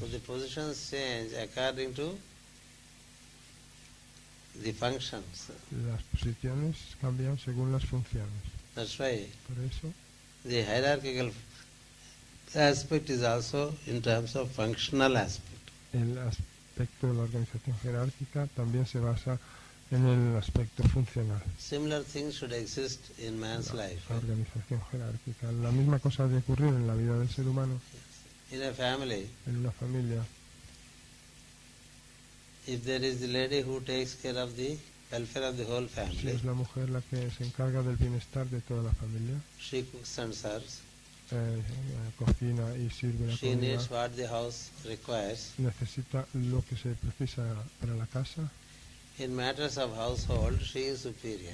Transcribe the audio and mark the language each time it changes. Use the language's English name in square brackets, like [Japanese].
[English] So the positions change according to the functions. [Spanish] Las posiciones cambian según las funciones. [English] That's why. [Spanish] Por eso. [English] The hierarchical aspect is also in terms of functional aspect. [Spanish] El aspecto de la organización jerárquica también se basa en el aspecto funcional. [English] Similar things should exist in man's life. [Spanish] La organización jerárquica. La misma cosa ha de ocurrir en la vida del ser humano. [English] In a family. [Spanish] En una familia. [English] If there is the lady who takes care of the welfare of the whole family. [Spanish] Si es la mujer la que se encarga del bienestar de toda la familia. [English] She cooks and serves. [Spanish] Cocina y sirve la [English] she [Spanish] comida. [English] Needs what the house requires. [Spanish] Necesita lo que se precisa para la casa. [English] In matters of household, she is superior.